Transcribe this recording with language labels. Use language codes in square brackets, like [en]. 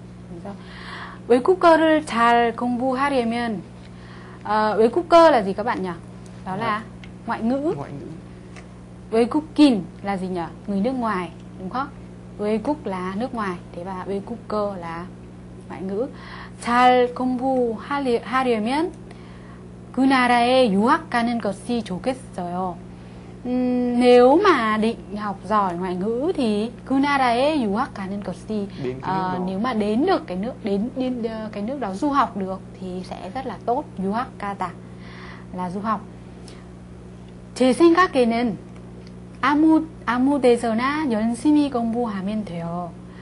[ko] 그래서 외국어를 잘 공부하려면 외국어 [vi] là gì các bạn nhỉ? Đó là ngoại ngữ. 외국인 là gì nhỉ? Người nước ngoài, đúng không? 외국 là nước ngoài, thế và 외국어 là ngoại ngữ. [ko] 잘 공부하려면 그 나라에 유학 가는 것이 좋겠어요. [vi] Nếu mà định học giỏi ngoại ngữ thì [ko] 그 나라에 유학 가는 것이 [vi] nếu mà đến được cái nước đến cái nước đó du học được thì sẽ rất là tốt. [ko] 유학 가다 [vi] là du học. [ko] 제 생각에는 아무 데서나 열심히 공부하면 돼요.